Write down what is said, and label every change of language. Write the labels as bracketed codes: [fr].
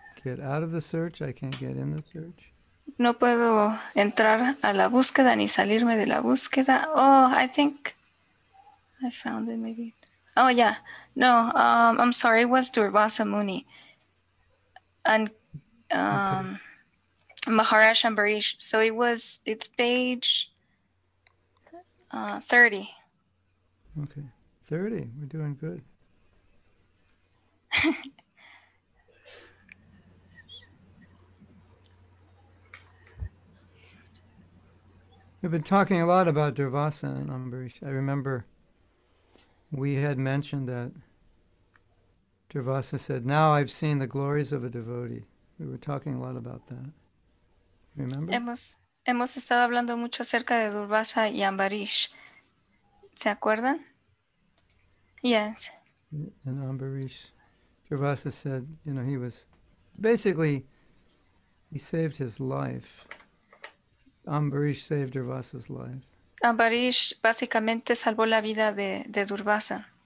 [en] Get out of the search, I can't get in the search. [es] No puedo entrar a la búsqueda ni salirme de la búsqueda. [en] Oh, I think I found it maybe. Oh yeah. No, I'm sorry, it was Durvasa Muni. And okay. Maharaj Ambarish. So it was page 30. Okay. 30. We're doing good. We've been talking a lot about Durvasa and Ambarish. I remember we had mentioned that Durvasa said, "Now I've seen the glories of a devotee." We were talking a lot about that. Remember? [es] Hemos estado hablando mucho acerca de Durvasa y Ambarish. ¿Se acuerdan? Yes. [en] And Ambarish, Durvasa said, you know, he was basically, he saved his life. Ambarish saved Durvasa's life. [es] Ambarish básicamente salvó la vida de Durvasa.